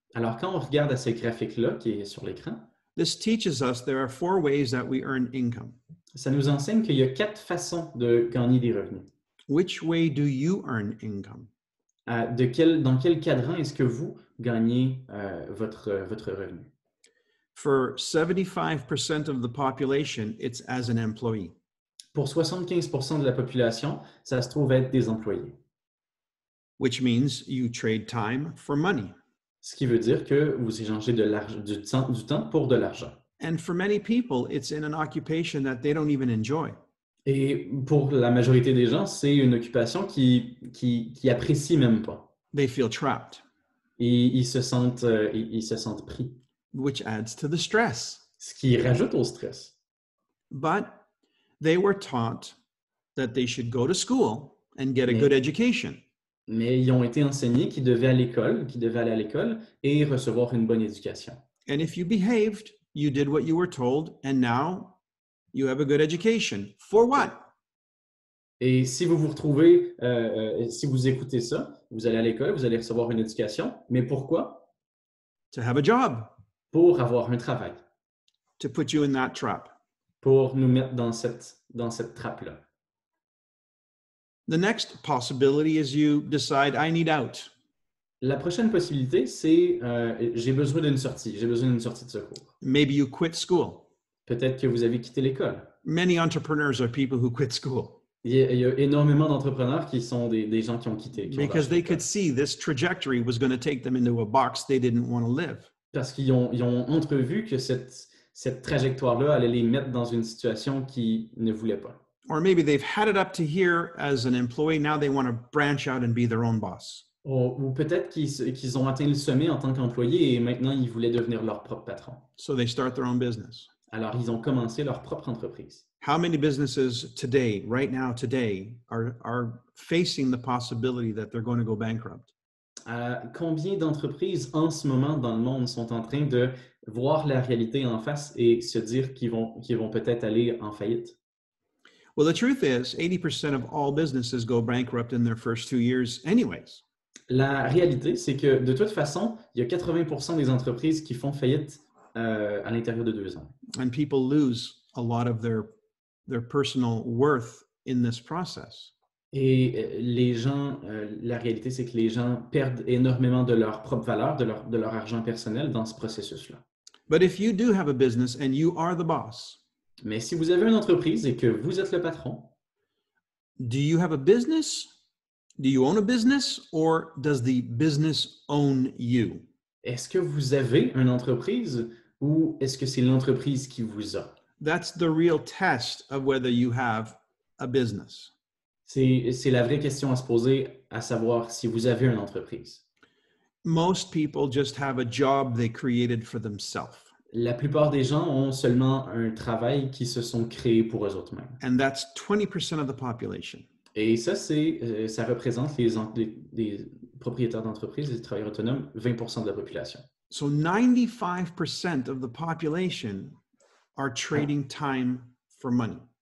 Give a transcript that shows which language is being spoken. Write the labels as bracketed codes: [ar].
[fr] alors quand on regarde à ce graphique-là qui est sur l'écran, [en] this teaches us there are 4 ways that we earn income. [fr] Ça nous enseigne qu'il y a 4 façons de gagner des revenus. [en] Which way do you earn income? [fr] Dans quel cadran est-ce que vous gagnez votre revenu? [en] For 75% of the population, it's as an employee. [fr] Pour 75% de la population, ça se trouve être des employés. [en] Which means you trade time for money. [fr] Ce qui veut dire que vous échangez du temps pour de l'argent. [en] And for many people, it's in an occupation that they don't even enjoy. [fr] Et pour la majorité des gens, c'est une occupation qui apprécie même pas. [en] They feel trapped. [fr] Et ils se sentent pris. [en] Which adds to the stress. [fr] Ce qui rajoute au stress. [en] But they were taught that they should go to school and get a good education. [fr] Mais ils ont été enseignés qu'ils devaient aller à l'école, et recevoir une bonne éducation. [en] And if you behaved, you did what you were told, and now you have a good education. For what? [fr] Et si vous vous retrouvez, si vous écoutez ça, vous allez à l'école, vous allez recevoir une éducation, mais pourquoi? [en] To have a job. [fr] Pour avoir un travail. [en] To put you in that trap. [fr] Pour nous mettre dans cette trappe-là. [en] The next possibility is you decide, I need out. [fr] La prochaine possibilité, c'est j'ai besoin d'une sortie. J'ai besoin d'une sortie de secours. [en] Maybe you quit school. [fr] Peut-être que vous avez quitté l'école. [en] Many entrepreneurs are people who quit school. [fr] Il y a énormément d'entrepreneurs qui sont des gens qui ont quitté. [en] Because they could see this trajectory was going to take them into a box they didn't want to live. [fr] Parce qu'ils ont entrevu que cette trajectoire-là allait les mettre dans une situation qu'ils ne voulaient pas. [en] Or maybe they've had it up to here as an employee, now they want to branch out and be their own boss. [fr] Ou peut-être qu'ils ont atteint le sommet en tant qu'employé et maintenant ils voulaient devenir leur propre patron. [en] So they start their own business. [fr] Alors ils ont commencé leur propre entreprise. [en] How many businesses today, right now, today, are facing the possibility that they're going to go bankrupt? [fr] Combien d'entreprises en ce moment dans le monde sont en train de voir la réalité en face et se dire qu'ils vont peut-être aller en faillite? [en] Well, the truth is, 80% of all businesses go bankrupt in their first 2 years anyways. [fr] La réalité, c'est que de toute façon, il y a 80% des entreprises qui font faillite à l'intérieur de 2 ans. [en] And people lose a lot of their personal worth in this process. [fr] Et les gens, la réalité, c'est que les gens perdent énormément de leur propre valeur, de leur argent personnel dans ce processus-là. [en] But if you do have a business and you are the boss, [fr] mais si vous avez une entreprise et que vous êtes le patron, [en] do you have a business? Do you own a business or does the business own you? [fr] Est-ce que vous avez une entreprise ou est-ce que c'est l'entreprise qui vous a? [en] That's the real test of whether you have a business. [fr] C'est la vraie question à se poser, à savoir si vous avez une entreprise. [en] Most people just have a job they created for themselves. [fr] La plupart des gens ont seulement un travail qu'ils se sont créés pour eux-mêmes. [en] And that's 20% of the population. [fr] Et ça représente les propriétaires d'entreprises, les travailleurs autonomes, 20% de la population. [en] So 95% of the population are trading time for money.